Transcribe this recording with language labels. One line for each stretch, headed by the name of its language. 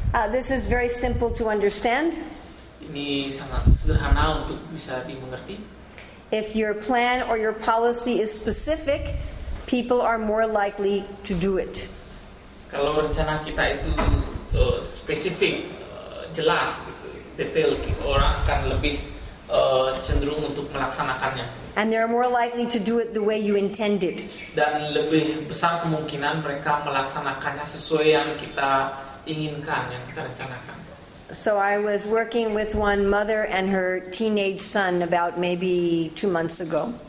English: This is very simple to understand.
Indonesian: Ini sangat sederhana untuk bisa dimengerti.
English: If your plan or your policy is specific, people are more likely to do it.
Indonesian: Kalau rencana kita itu spesifik, jelas, detail, orang akan lebih cenderung untuk melaksanakannya.
English: And they're more likely to do it the way you intended.
Indonesian: Dan lebih besar kemungkinan mereka melaksanakannya sesuai yang kita inginkan, yang kita rencanakan.
English: So I was working with one mother and her teenage son about maybe 2 months ago.